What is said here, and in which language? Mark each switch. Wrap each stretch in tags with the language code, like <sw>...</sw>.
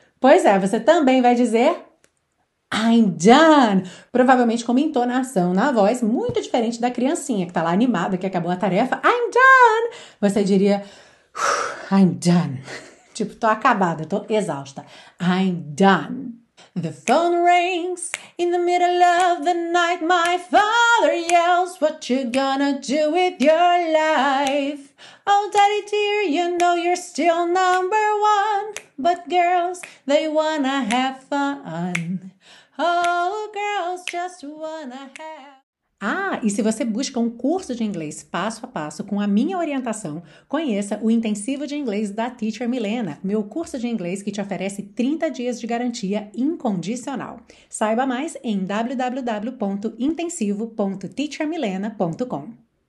<pt>Pois é, você também vai dizer</pt> <en>I'm done,</en> <pt>provavelmente com uma entonação na voz muito diferente da criancinha que está lá animada, que acabou a tarefa, I'm done, você diria I'm done, tipo, estou acabada, estou exausta, I'm done.</pt> <en>The phone rings in the middle of the night. My father yells, what you gonna do with your life? Oh, daddy dear, you know you're still number one. But girls, they wanna have fun. Oh, girls just wanna have.</en> <pt>Ah, e se você busca um curso de inglês passo a passo com a minha orientação, conheça o Intensivo de Inglês da Teacher Milena, meu curso de inglês que te oferece 30 dias de garantia incondicional. Saiba mais em www.intensivo.teachermilena.com.</pt>